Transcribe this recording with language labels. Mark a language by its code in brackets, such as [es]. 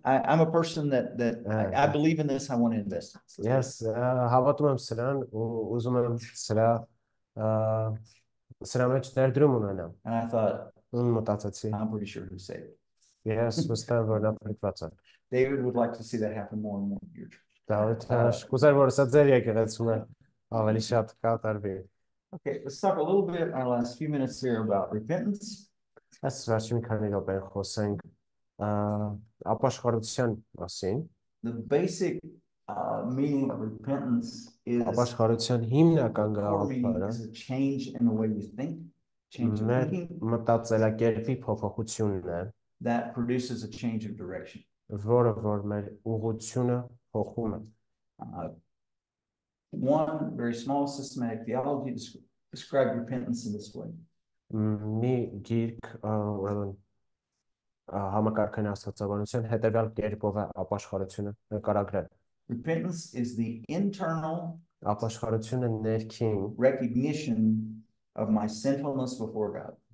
[en] I'm a person that I believe in this. I want to invest. [hy] Yes, հավատում եմ սրան ու ուզում եմ սրա սրա մեջ ներդրում ունենամ։ [en] And I thought, [hy] մտածեցի, [en] I'm pretty sure he's saved. [hy] Yes, վստահ եմ, որ նա փրկված է։ [en] David would like to see that happen more and more in your church. [hy] David, կուզեր, որ սա ձեր եկեղեցում է ավելի շատ կատարվի։ [en] Okay, let's talk a little bit in our last few minutes here about repentance. [hy] Ես վերջին քանի րոպե խոսենք ապաշխարության մասին։ [en] The basic meaning of repentance is [hy] ապաշխարության հիմնական գաղափարը [en] is a change in the way we think, change of thinking, [hy] մտածելակերպի փոփոխությունն է, [en] that produces a change of direction. [hy] Որը որ մեր ուղղությունը փոխում է։ [en] One very small systematic theology described repentance in this way. [hy] Մի գիրք, ուրեմն համակարգային աստվածաբանության հետևյալ կերպով է ապաշխարությունը նկարագրել։ [en] Repentance is the internal [hy] ապաշխարությունը ներքին [en] recognition of my sinfulness before God.